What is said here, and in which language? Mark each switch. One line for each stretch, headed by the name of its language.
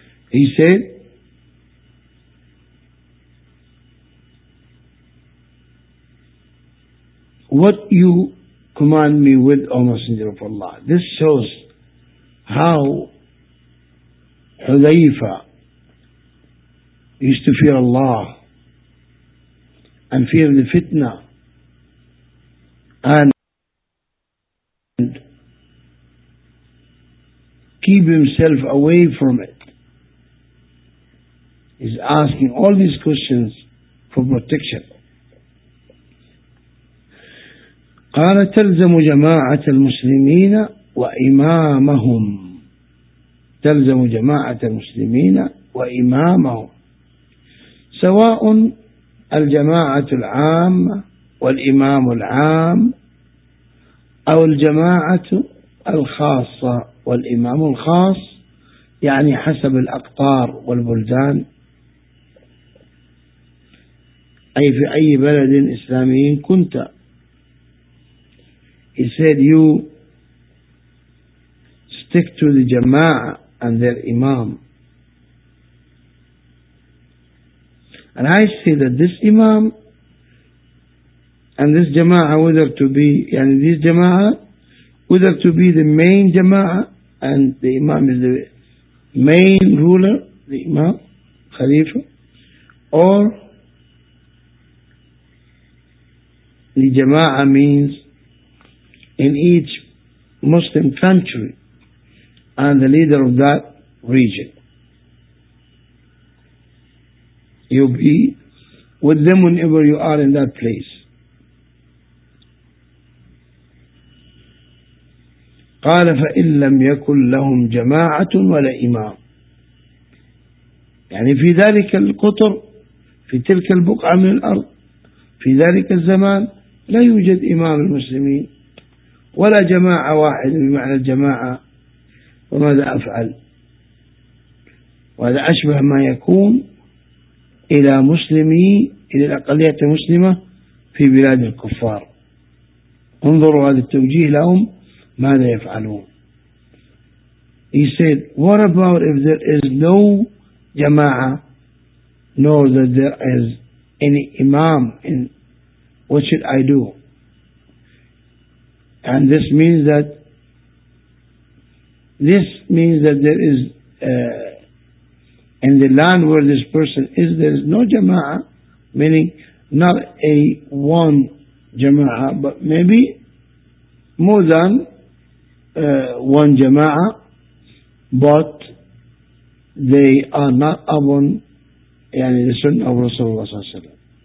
English: He said, what you command me with, O Messenger of Allah, this shows how Hudhayfa used to fear Allah and fear the fitna and keep himself away from it. He's asking all these questions for protection.
Arabic: قال تلزم جماعة المسلمين وإمامهم، تلزم جماعة المسلمين وإمامهم، سواء الجماعة العامة والإمام العام أو الجماعة الخاصة والإمام الخاص، يعني حسب الأقطار والبلدان، أي في أي بلد إسلامي كنت.
English: He said you stick to the جماعة and their imam. And I see that this imam and this جماعة whether to be,
Arabic: يعني
English: this جماعة whether to be the main جماعة and the imam is the main ruler, the imam, خليفة, or الجماعة means in each Muslim country and the leader of that region. You be with them whenever you are in that place.
Arabic: قال فإن لم يكن لهم جماعة ولا إمام، يعني في ذلك القطر، في تلك البقعة من الأرض، في ذلك الزمان لا يوجد إمام المسلمين ولا جماعة واحد بمعنى الجماعة، وماذا أفعل؟ وهذا أشبه ما يكون إلى مسلمي، إلى الأقلية المسلمة في بلاد الكفار. انظروا هذا التوجيه لهم ماذا يفعلون.
English: He said what about if there is no جماعة nor that there is any imam in, what should I do? And this means that there is in the land where this person is, there is no jama'ah, meaning not a one jama'ah, but maybe more than one jama'ah, but they are not upon
Arabic: يعني
English: the sunnah of Rasulullah sallallahu alayhi wa sallam.